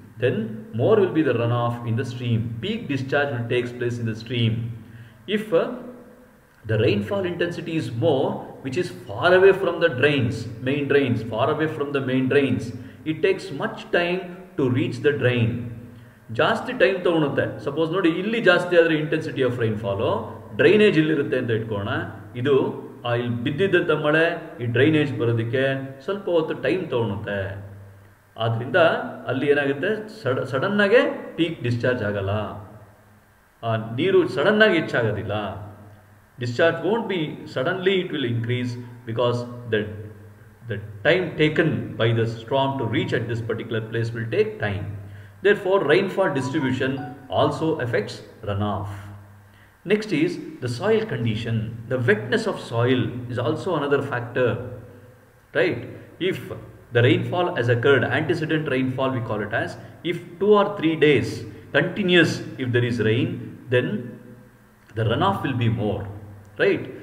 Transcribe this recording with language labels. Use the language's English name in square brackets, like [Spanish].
[English] then more will be the runoff in the stream. Peak discharge will take place in the stream. If the rainfall intensity is more, which is far away from the drains, main drains, far away from the main drains, it takes much time to reach the drain. [Kannada] ಜಾಸ್ತಿ time ತಗೊಳುತ್ತೆ. Suppose ನೋಡಿ, ಇಲ್ಲಿ ಜಾಸ್ತಿ ಆದರೆ [English] intensity of rainfall, [Kannada] drainage ಇಲ್ಲಿರುತ್ತೆ ಅಂತ ಇಟ್ಕೋಣ. ಇದು ಇಲ್ಲಿ ಬಿದ್ದಿದ್ದಂಥ ಮಳೆ ಈ ಡ್ರೈನೇಜ್ ಬರೋದಕ್ಕೆ ಸ್ವಲ್ಪ ಹೊತ್ತು ಟೈಮ್ ತಗೊಳುತ್ತೆ. ಆದ್ದರಿಂದ ಅಲ್ಲಿ ಏನಾಗುತ್ತೆ, ಸಡನ್ನಾಗೆ ಪೀಕ್ ಡಿಸ್ಚಾರ್ಜ್ ಆಗಲ್ಲ, ನೀರು ಸಡನ್ನಾಗಿ ಹೆಚ್ಚಾಗೋದಿಲ್ಲ. [English] Discharge won't be suddenly, it will increase because the time taken by the strong to reach at this particular place will take time. Therefore, rainfall distribution also affects runoff. Next is the soil condition. The wetness of soil is also another factor, right? If the rainfall has occurred, antecedent rainfall we call it as, if 2 or 3 days continuous if there is rain, then the runoff will be more, right?